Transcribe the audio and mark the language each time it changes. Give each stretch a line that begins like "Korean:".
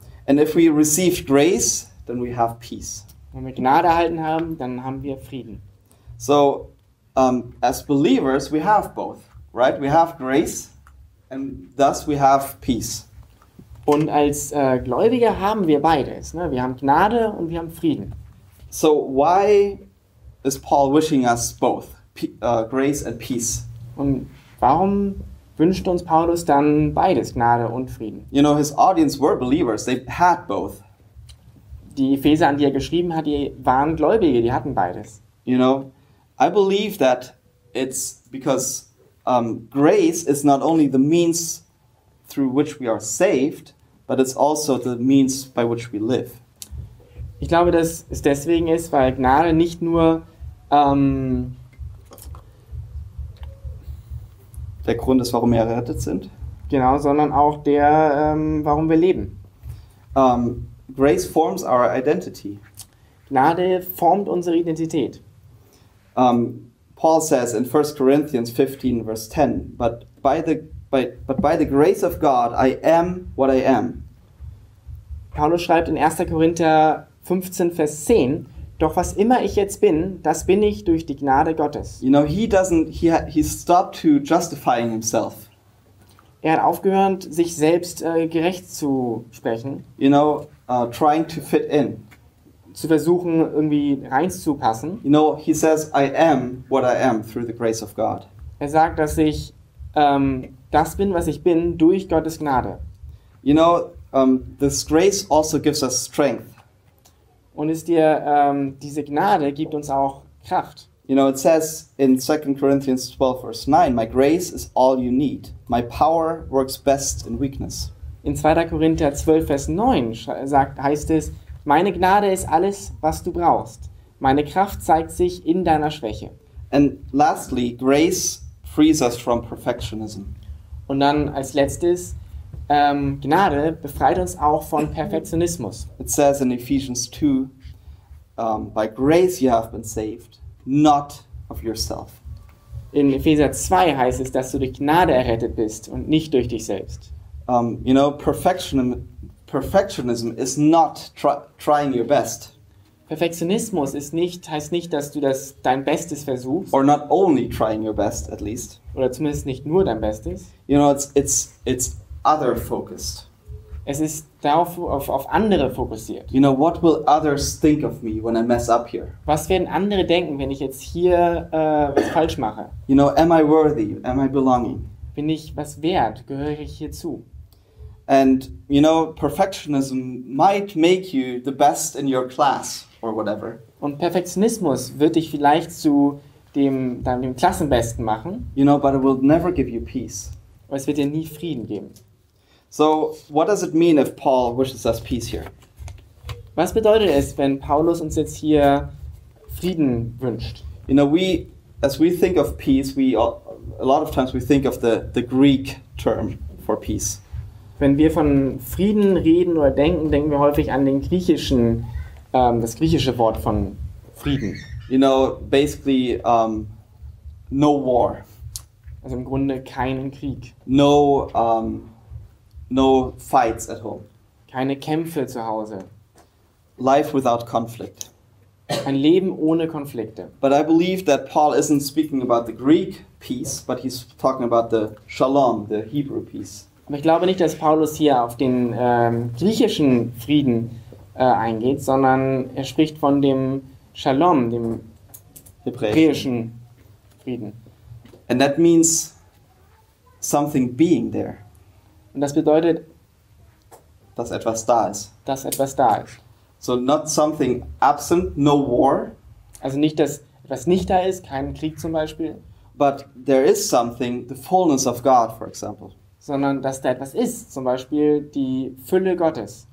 English: And if we receive grace, then we have peace.
German: Wenn wir Gnade erhalten haben, dann haben wir Frieden.
English: So as believers, we have both, right? We have grace, and thus we have peace.
German: Und als Gläubige haben wir beides, ne? Wir haben Gnade und wir haben Frieden.
English: So why is Paul wishing us both, grace and peace?
German: Und warum wünscht uns Paulus dann beides, Gnade und Frieden?
English: You know, his audience were believers. They had both.
German: Die Epheser, an die er geschrieben hat, die waren Gläubige. Die hatten beides.
English: You know. I believe that it's because grace is not only the means through which we are saved, but it's also the means by which we live.
German: Ich glaube, dass es deswegen ist, weil Gnade nicht nur der Grund ist, warum wir errettet sind. Genau, sondern auch der, warum wir leben.
English: Grace forms our identity.
German: Gnade formt unsere Identität.
English: Paul says in 1 Corinthians 15, verse 10, but by the grace of God, I am what I am.
German: Paulus schreibt in 1. Korinther 15, Vers 10, doch was immer ich jetzt bin, das bin ich durch die Gnade Gottes.
English: You know, he stopped to justifying himself.
German: Er hat aufgehört, sich selbst gerecht zu sprechen.
English: You know, trying to fit in.
German: Zu versuchen, irgendwie reinzupassen.
English: You know, he says, I am what I am through the grace of God.
German: Er sagt, dass ich das bin, was ich bin, durch Gottes Gnade.
English: You know, this grace also gives us strength.
German: Und ist dir diese Gnade gibt uns auch Kraft.
English: You know, it says in 2 Corinthians 12, verse 9, my grace is all you need. My power works best in weakness.
German: In 2. Korinther 12, Vers 9 heißt es, meine Gnade ist alles, was du brauchst. Meine Kraft zeigt sich in deiner Schwäche.
English: And lastly, grace frees us from perfectionism.
German: Und dann als letztes, Gnade befreit uns auch von Perfektionismus.
English: It says in Ephesians 2, by grace you have been saved, not of yourself.
German: In Epheser 2 heißt es, dass du durch Gnade errettet bist und nicht durch dich selbst.
English: You know, Perfectionism is not trying your best.
German: Perfektionismus ist nicht, heißt nicht, dass du das dein Bestes versuchst.
English: Or not only trying your best, at least.
German: Oder zumindest nicht nur dein Bestes.
English: You know, it's other focused.
German: Es ist darauf auf andere fokussiert.
English: You know, what will others think of me when I mess up here?
German: Was werden andere denken, wenn ich jetzt hier was falsch mache?
English: You know, am I worthy? Am I belonging?
German: Bin ich was wert? Gehöre ich hierzu?
English: And you know, perfectionism might make you the best in your class or whatever.
German: Und Perfektionismus wird dich vielleicht zu dem Klassenbesten machen.
English: You know, but it will never give you peace.
German: Aber es wird dir nie Frieden geben.
English: So, what does it mean if Paul wishes us peace here?
German: Was bedeutet es, wenn Paulus uns jetzt hier Frieden wünscht?
English: You know, as we think of peace, a lot of times we think of the Greek term for peace.
German: Wenn wir von Frieden reden oder denken, denken wir häufig an den griechischen, das griechische Wort von Frieden.
English: You know, basically, no war.
German: Also im Grunde keinen Krieg.
English: No, no fights at home.
German: Keine Kämpfe zu Hause.
English: Life without conflict.
German: Ein Leben ohne Konflikte.
English: But I believe that Paul isn't speaking about the Greek peace, but he's talking about the shalom, the Hebrew peace.
German: Aber ich glaube nicht, dass Paulus hier auf den griechischen Frieden eingeht, sondern er spricht von dem Shalom, dem hebräischen Frieden.
English: And that means something being there.
German: Und das bedeutet, dass etwas da ist. Dass etwas da ist.
English: So not something absent, no war.
German: Also nicht, dass etwas nicht da ist, kein Krieg zum Beispiel.
English: But there is something, the fullness of God, for example.
German: Sondern dass da etwas ist, zum Beispiel die Fülle Gottes.